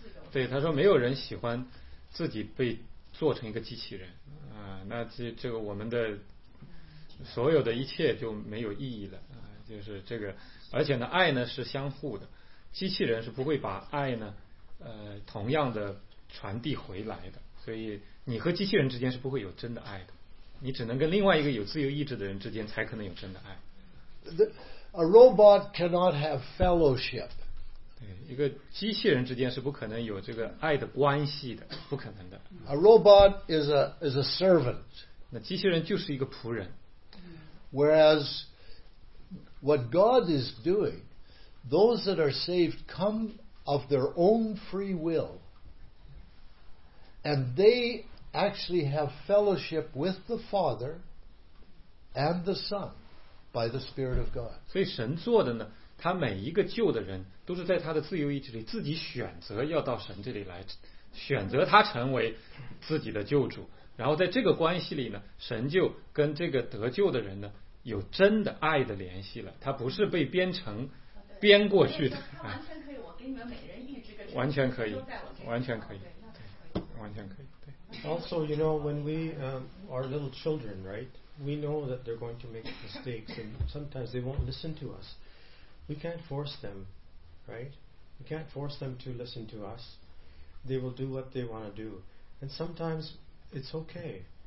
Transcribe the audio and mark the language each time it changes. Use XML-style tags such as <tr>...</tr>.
<zh>对，他说没有人喜欢自己被做成一个机器人啊，那这个我们的所有的一切就没有意义了啊，就是这个，而且呢，爱呢是相互的，机器人是不会把爱呢同样的传递回来的，所以你和机器人之间是不会有真的爱的，你只能跟另外一个有自由意志的人之间才可能有真的爱。</zh> <en>A robot cannot have fellowship.</en> <zh>一个机器人之间是不可能有这个爱的关系的，不可能的。</zh> <en>A robot is a servant.</en> <zh>那机器人就是一个仆人。</zh> <en>Whereas what God is doing, those that are saved come of their own free will, and they actually have fellowship with the Father and the Son by the Spirit of God.</en> <zh>所以神做的呢，他每一个救的人都是在他的自由意志里自己选择要到神这里来，选择他成为自己的救主，然后在这个关系里呢，神就跟这个得救的人呢有真的爱的联系了，他不是被编过去的。他完全可以，我给你们每人预知个，完全可以，完全可以，完全可以。</zh> <en>Also, you know, when we are little children, right? We know that they're going to make mistakes, and sometimes they won't listen to us. We can't force them. Right? We can't force them to listen to us. They will do what they want to do. And sometimes it's okay.</en>